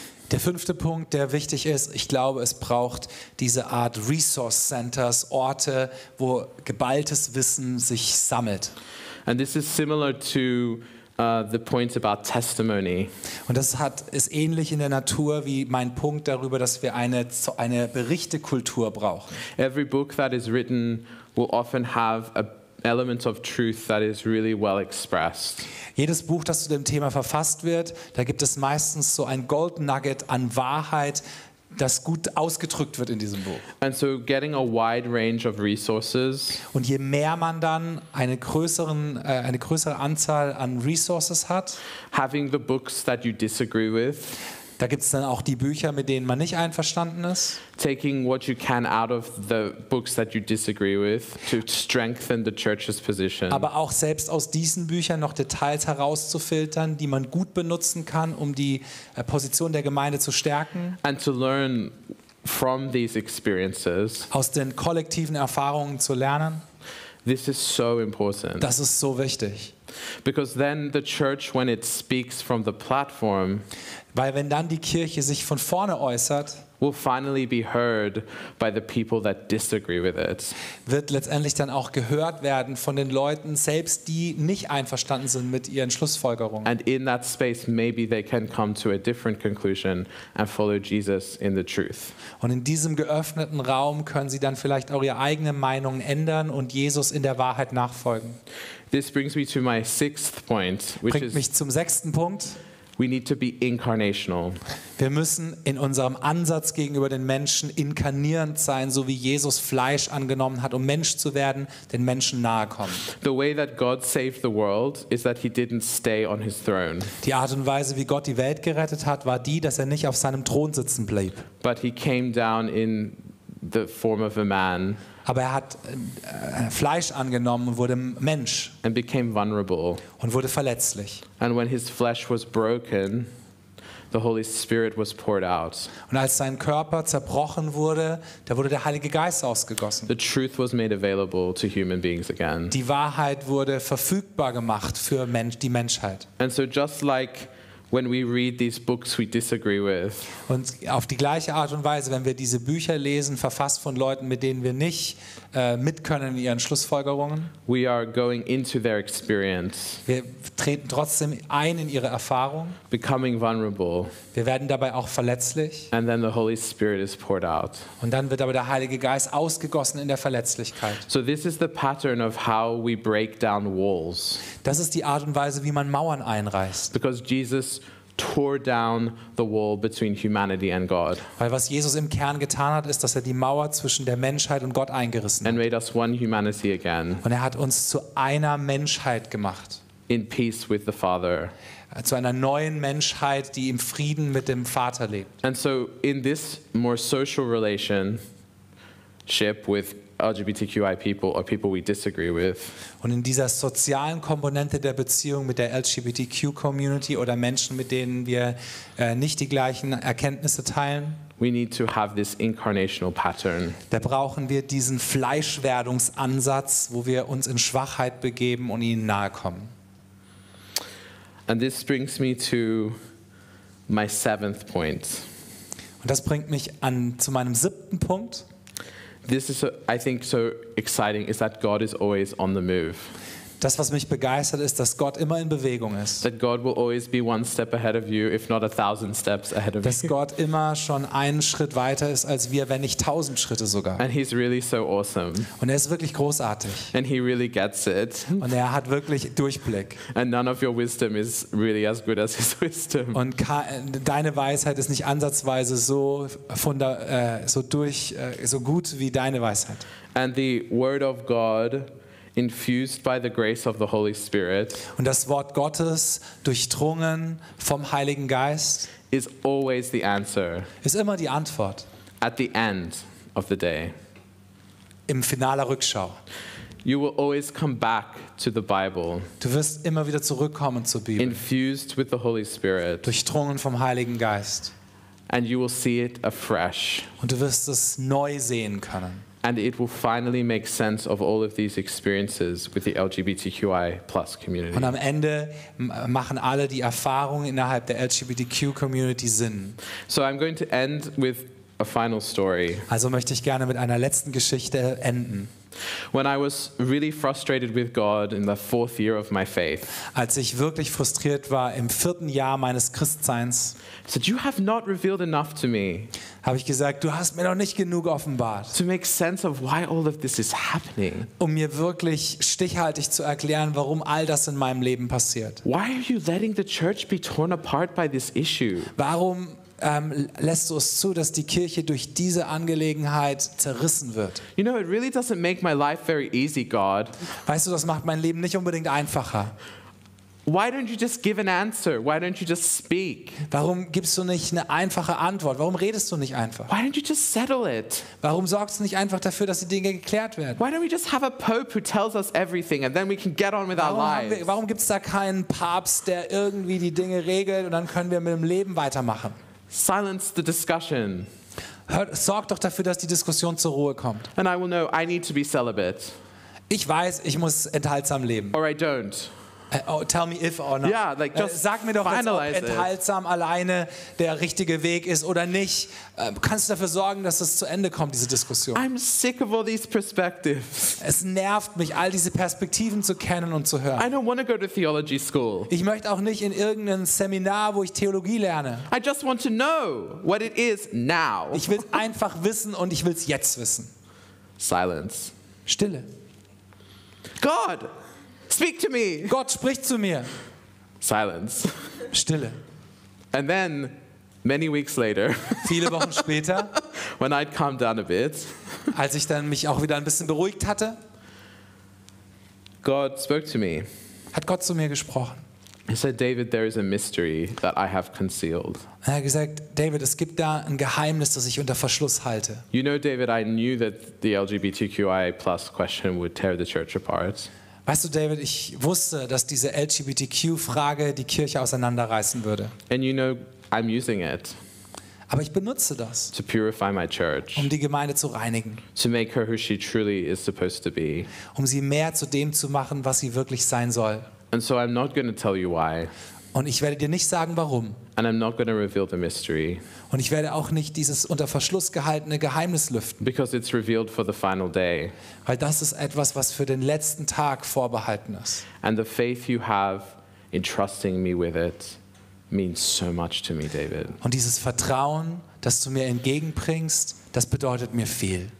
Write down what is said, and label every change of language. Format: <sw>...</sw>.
<de>Der fünfte Punkt, der wichtig ist, ich glaube, es braucht diese Art Resource Centers, Orte, wo geballtes Wissen sich sammelt.</de> <en>And this is similar to The point about testimony.</en> <de>Und das hat ist ähnlich in der Natur wie mein Punkt darüber, dass wir eine Berichtekultur brauchen.</de> <en>Every book that is written will often have a element of truth that is really well expressed.</en> <de>Jedes Buch, das zu dem Thema verfasst wird, da gibt es meistens so ein Gold Nugget an Wahrheit, das gut ausgedrückt wird in diesem Buch.</de> <en>And so getting a wide range of resources.</en> <de>Und je mehr man dann eine größere Anzahl an Resources hat,</de> <en>having the books that you disagree with.</en> <de>Da gibt es dann auch die Bücher, mit denen man nicht einverstanden ist.</de> <en>Taking what you can out of the books that you disagree with to strengthen the church's position.</en> <de>Aber auch selbst aus diesen Büchern noch Details herauszufiltern, die man gut benutzen kann, um die Position der Gemeinde zu stärken.</de> <en>And to learn from these experiences.</en> <de>Aus den kollektiven Erfahrungen zu lernen.</de> <en>This is so important.</en> <de>Das ist so wichtig.</de> <en>Because then the church, when it speaks from the platform,</en> <de>weil wenn dann die Kirche sich von vorne äußert,</de> <en>will finally be heard by the people that disagree with it.</en> <de>Wird letztendlich dann auch gehört werden von den Leuten selbst, die nicht einverstanden sind mit ihren Schlussfolgerungen.</de> <en>And in that space, maybe they can come to a different conclusion and follow Jesus in the truth.</en> <de>Und in diesem geöffneten Raum können sie dann vielleicht auch ihre eigene Meinung ändern und Jesus in der Wahrheit nachfolgen.</de> <en>This brings me to my sixth point, which</en> <de>bringt mich zum sechsten Punkt.</de> <en>We need to be incarnational.</en> <de>Wir müssen in unserem Ansatz gegenüber den Menschen inkarnierend sein, so wie Jesus Fleisch angenommen hat, um Mensch zu werden, den Menschen nahe kommen.</de> <en>The way that God saved the world is that he didn't stay on his throne.</en> <de>Die Art und Weise, wie Gott die Welt gerettet hat, war die, dass er nicht auf seinem Thron sitzen blieb.</de> <en>But he came down in the form of a man.</en> <de>Aber er hat Fleisch angenommen und wurde Mensch.</de> <en>And became vulnerable.</en> <de>Und wurde verletzlich.</de> <en>And when his flesh was broken, the Holy Spirit was poured out.</en> <de>Und als sein Körper zerbrochen wurde, da wurde der Heilige Geist ausgegossen.</de> <en>The truth was made available to human beings again.</en> <de>Die Wahrheit wurde verfügbar gemacht für die Menschheit.</de> <en>And so just like when we read these books we disagree with,</en> <de>und auf die gleiche Art und Weise, wenn wir diese Bücher lesen, verfasst von Leuten, mit denen wir nicht mitkönnen in ihren Schlussfolgerungen,</de> <en>we are going into their experience,</en> <de>wir treten trotzdem ein in ihre Erfahrung,</de> <en>becoming vulnerable,</en> <de>wir werden dabei auch verletzlich,</de> <en>and then the Holy Spirit is poured out,</en> <de>und dann wird aber der Heilige Geist ausgegossen in der Verletzlichkeit.</de> <en>So this is the pattern of how we break down walls.</en> <de>Das ist die Art und Weise, wie man Mauern einreißt.</de> <en>Because Jesus tore down the wall between humanity and God.</en> <de>Weil was Jesus im Kern getan hat, ist, dass er die Mauer zwischen der Menschheit und Gott eingerissen hat.</de> <en>And made us one humanity again.</en> <de>Und er hat uns zu einer Menschheit gemacht.</de> <en>In peace with the Father.</en> <de>Zu einer neuen Menschheit, die im Frieden mit dem Vater lebt.</de> <en>And so in this more social relationship with LGBTQI people or people we disagree with.</en> <de>Und in dieser sozialen Komponente der Beziehung mit der LGBTQ Community oder Menschen, mit denen wir nicht die gleichen Erkenntnisse teilen.</de> <en>We need to have this incarnational pattern.</en> <de>Da brauchen wir diesen Fleischwerdungsansatz, wo wir uns in Schwachheit begeben und ihnen nahe kommen.</de> <en>And this brings me to my seventh point.</en> <de>Und das bringt mich zu meinem siebten Punkt.</de> <en>This is, I think, so exciting is that God is always on the move.</en> <de>Das, was mich begeistert, ist, dass Gott immer in Bewegung ist.</de> <en>That God will always be one step ahead of you, if not 1,000 steps ahead of</en> <de>Dass Gott immer schon einen Schritt weiter ist als wir, wenn nicht 1,000 Schritte sogar.</de> <en>And he's really so awesome.</en> <de>Und er ist wirklich großartig.</de> <en>And he really gets it.</en> <de>Und er hat wirklich Durchblick.</de> <en>And none of your wisdom is really as good as his wisdom.</en> <de>Und deine Weisheit ist nicht ansatzweise so gut wie deine Weisheit.</de> <en>And the word of God, infused by the grace of the Holy Spirit,</en> <de>und das Wort Gottes, durchdrungen vom Heiligen Geist,</de> <en>is always the answer.</en> <de>Ist immer die Antwort.</de> <en>At the end of the day.</en> <de>Im finaler Rückschau.</de> <en>You will always come back to the Bible.</en> <de>Du wirst immer wieder zurückkommen zur Bibel.</de> <en>Infused with the Holy Spirit.</en> <de>Durchdrungen vom Heiligen Geist.</de> <en>And you will see it afresh.</en> <de>Und du wirst es neu sehen können.</de> <en>And it will finally make sense of all of these experiences with the LGBTQI plus community.</en> <de>Und am Ende machen alle die Erfahrungen innerhalb der LGBTQ Community Sinn.</de> <en>So I'm going to end with a final story.</en> <de>Also möchte ich gerne mit einer letzten Geschichte enden.</de> <en>When I was really frustrated with God in the fourth year of my faith,</en> <de>als ich wirklich frustriert war im vierten Jahr meines Christseins,</de> <en>said, "You have not revealed enough to me."</en> <de>Habe ich gesagt, du hast mir noch nicht genug offenbart.</de> <en>To make sense of why all of this is happening.</en> <de>Um mir wirklich stichhaltig zu erklären, warum all das in meinem Leben passiert.</de> <en>Why are you letting the church be torn apart by this issue?</en> <de>Warum lässt du es zu, dass die Kirche durch diese Angelegenheit zerrissen wird?</de> <en>You know, it really doesn't make my life very easy, God.</en> <de>Weißt du, das macht mein Leben nicht unbedingt einfacher.</de> <en>Why don't you just give an answer? Why don't you just speak?</en> <de>Warum gibst du nicht eine einfache Antwort? Warum redest du nicht einfach?</de> <en>Why don't you just settle it?</en> <de>Warum sorgst du nicht einfach dafür, dass die Dinge geklärt werden?</de> <en>Why don't we just have a pope who tells us everything and then we can get on with our lives?</en> <de>Warum gibt's da keinen Papst, der irgendwie die Dinge regelt und dann können wir mit dem Leben weitermachen?</de> <en>Silence the discussion.</en> <de>Sorg doch dafür, dass die Diskussion zur Ruhe kommt.</de> <en>And I will know I need to be celibate.</en> <de>Ich weiß, ich muss enthaltsam leben.</de> <en>Or I don't. Oh, tell me if or not. Yeah, like just</en> <de>sag mir doch, ob enthaltsam alleine der richtige Weg ist oder nicht. Kannst du dafür sorgen, dass es zu Ende kommt, diese Diskussion?</de> <en>I'm sick of all these perspectives.</en> <de>Es nervt mich, all diese Perspektiven zu kennen und zu hören.</de> <en>I don't want to go to theology school.</en> <de>Ich möchte auch nicht in irgendein Seminar, wo ich Theologie lerne.</de> <en>I just want to know what it is now.</en> <de>Ich will es einfach wissen und ich will es jetzt wissen.</de> <en>Silence.</en> <de>Stille.</de> <en>God! Speak to me.</en> <de>Gott spricht zu mir.</de> <en>Silence.</en> <de>Stille.</de> <en>And then many weeks later.</en> <de>Viele Wochen später.</de> <en>When I'd calmed down a bit.</en> <de>Als ich dann mich auch wieder ein bisschen beruhigt hatte.</de> <en>God spoke to me.</en> <de>Hat Gott zu mir gesprochen.</de> <en>He said, "David, there is a mystery that I have concealed."</en> <de>Er hat gesagt, David, es gibt da ein Geheimnis, das ich unter Verschluss halte.</de> <en>You know, David, I knew that the LGBTQI+ question would tear the church apart.</en> <de>Weißt du, David, ich wusste, dass diese LGBTQ-Frage die Kirche auseinanderreißen würde.</de> <en>And you know, I'm using it.</en> <de>Aber ich benutze das,</de> <en>to purify my church,</en> <de>um die Gemeinde zu reinigen,</de> <en>to make her who she truly is supposed to be,</en> <de>um sie mehr zu dem zu machen, was sie wirklich sein soll.</de> <en>And so I'm not gonna tell you why.</en> <de>Und ich werde dir nicht sagen, warum.</de> <en>And I'm not gonna reveal the mystery.</en> <de>Und ich werde auch nicht dieses unter Verschluss gehaltene Geheimnis lüften.</de> <en>Because it's revealed for the final day.</en> <de>Weil das ist etwas, was für den letzten Tag vorbehalten ist.</de> <en>And the faith you have in trusting me with it means so much to me, David.</en> <de>Und dieses Vertrauen, das du mir entgegenbringst, das bedeutet mir viel.</de>